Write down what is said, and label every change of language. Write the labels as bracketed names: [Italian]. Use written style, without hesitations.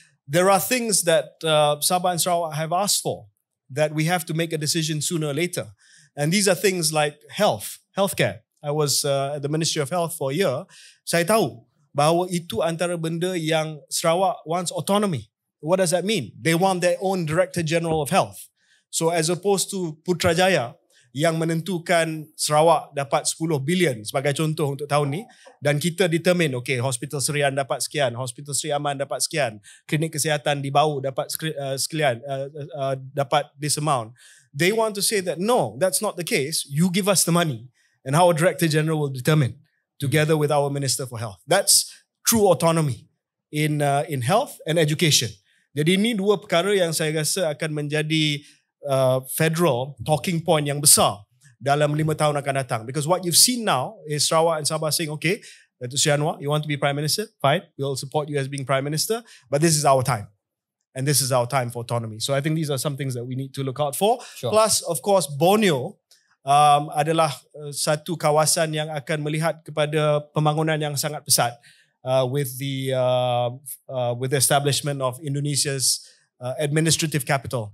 [English] There are things that Sabah and Sarawak have asked for that we have to make a decision sooner or later. And these are things like healthcare. I was at the Ministry of Health for a year. [Malay] Saya tahu bahawa itu antara benda yang Sarawak [English] wants autonomy. What does that mean? They want their own Director General of Health. So as opposed to [Malay] Putrajaya yang menentukan Sarawak dapat 10 bilion sebagai contoh untuk tahun ni, dan kita determine, okay, Hospital Serian dapat sekian, Hospital Sri Aman dapat sekian, klinik kesihatan di Bau dapat sekian, dapat [English] this amount. They want to say that, no, that's not the case. You give us the money and our Director General will determine together with our Minister for Health. That's true autonomy in health and education. [Malay] Jadi ini dua perkara yang saya rasa akan menjadi [English] federal talking point [Malay] yang besar dalam 5 tahun akan datang. [English] Because what you've seen now is Sarawak and Sabah saying, okay, Datuk Seri Anwar, you want to be Prime Minister? Fine, we'll support you as being Prime Minister. But this is our time. And this is our time for autonomy. So I think these are some things that we need to look out for. Sure. [Malay] Plus, of course, Borneo adalah satu kawasan yang akan melihat kepada pembangunan yang sangat pesat [English] with the establishment of Indonesia's administrative capital.